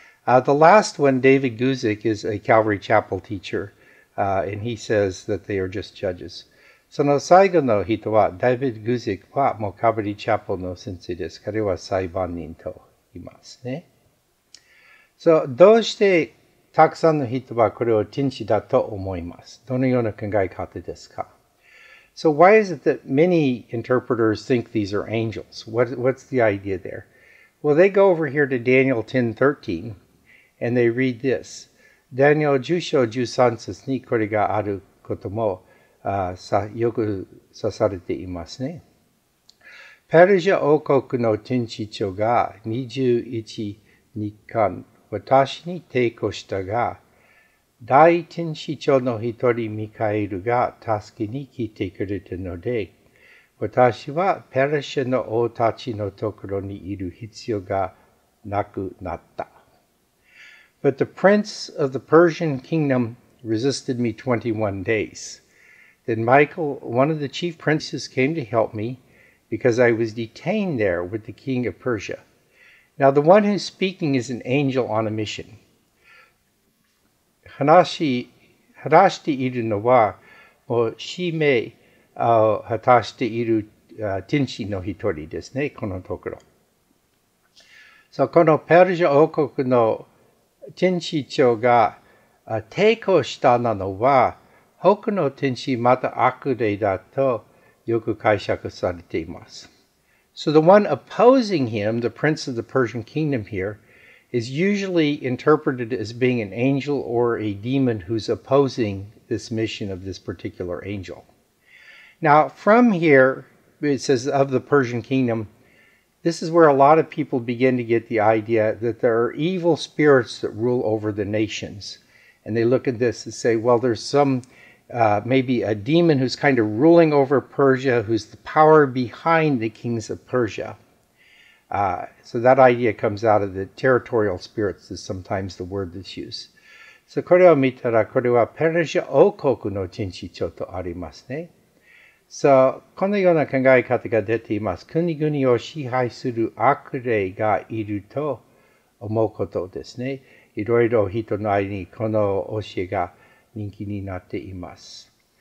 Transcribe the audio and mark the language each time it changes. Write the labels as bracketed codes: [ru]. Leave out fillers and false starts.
[en] The last one, David Guzik, is a Calvary Chapel teacher, and he says that they are just judges. [ja] その最後の人は、ダビッド・グゼクはもうカブリチャポの先生です。彼は裁判人と言いますね。So, どうしてたくさんの人はこれを天使だと思います? どのような考え方ですか? [en] So why is it that many interpreters think these are angels? What's the idea there? Well, they go over here to Daniel 10:13 and they read this. [ja] Daniel 10:13節にこれがあることもよく指されていますね。ペルシャ王国の天使長が21日間私に抵抗したが、大天使長の一人ミカエルが助けに来てくれたので、私はペルシャの王たちのところにいる必要がなくなった。 [en] But the prince of the Persian kingdom resisted me 21 days. Then Michael, one of the chief princes, came to help me because I was detained there with the king of Persia. Now the one who's speaking is an angel on a mission. [ja] 話しているのは、もう使命を果たしている天使の一人ですね、このところ。 So, このペルシャ王国の天使長が抵抗したなのは、他の天使また悪霊だとよく解釈されています。 [en] So the one opposing him, the prince of the Persian kingdom here, is usually interpreted as being an angel or a demon who's opposing this mission of this particular angel. Now from here, it says of the Persian kingdom, this is where a lot of people begin to get the idea that there are evil spirits that rule over the nations. And they look at this and say, well, there's some... Maybe a demon who's kind of ruling over Persia, who's the power behind the kings of Persia. So that idea comes out of the territorial spirits is sometimes the word that's used. [ja] So これを見たら、これはペルシャ王国の天使長とありますね。 So このような考え方が出ています。国々を支配する悪霊がいると思うことですね。いろいろ人の間にこの教えが人気になっています。